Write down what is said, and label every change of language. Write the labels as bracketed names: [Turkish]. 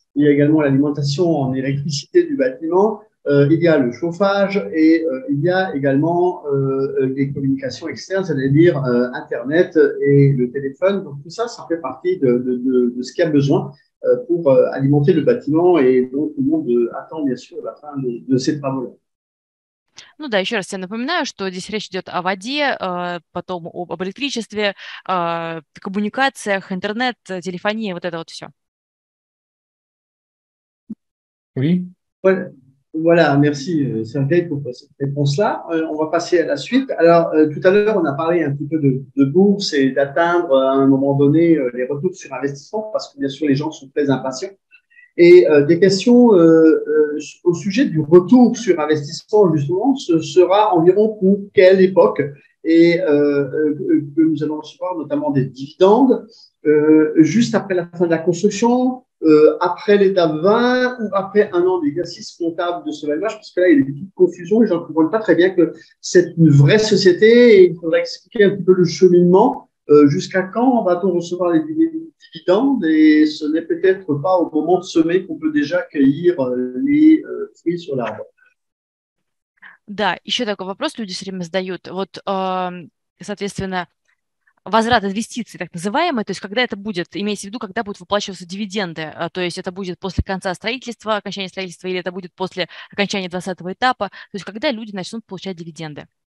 [French] Il y a également l'alimentation en électricité du bâtiment. Il y a le chauffage et il y a également les communications externes, c'est-à-dire Internet et le téléphone. Donc, tout ça, ça fait partie de ce qu'il y a besoin pour alimenter le bâtiment et donc tout le monde attend bien sûr la fin de ces travaux-là. [Russian] Ну да, еще раз я напоминаю, что здесь речь идет о воде, потом об электричестве, коммуникациях, интернет, телефонии, вот это вот все. [French] Oui. Voilà, merci, Sergei, pour cette réponse-là. On va passer à la suite. Alors, tout à l'heure, on a parlé un petit peu de bourse et d'atteindre à un moment donné les retours sur investissement, parce que bien sûr, les gens sont très impatients. Et des questions au sujet du retour sur investissement, justement, ce sera environ pour quelle époque et que nous allons recevoir notamment des dividendes juste après la fin de la construction, après l'étape 20 ou après un an d'exercice comptable de ce valage, parce que là, il y a une petite confusion et je ne comprends pas très bien que c'est une vraie société et il faudrait expliquer un petit peu le cheminement. Jusqu'à quand va-t-on recevoir les dividendes et ce n'est peut-être pas au moment de semer qu'on peut déjà cueillir les fruits sur l'arbre. [Russian] Да, еще такой вопрос люди все время задают. Вот, соответственно, возврат инвестиций, так называемый, то есть когда это будет, имеется в виду, когда будут выплачиваться дивиденды, то есть это будет после конца строительства, окончания строительства, или это будет после окончания 20-го этапа, то есть когда люди начнут получать дивиденды?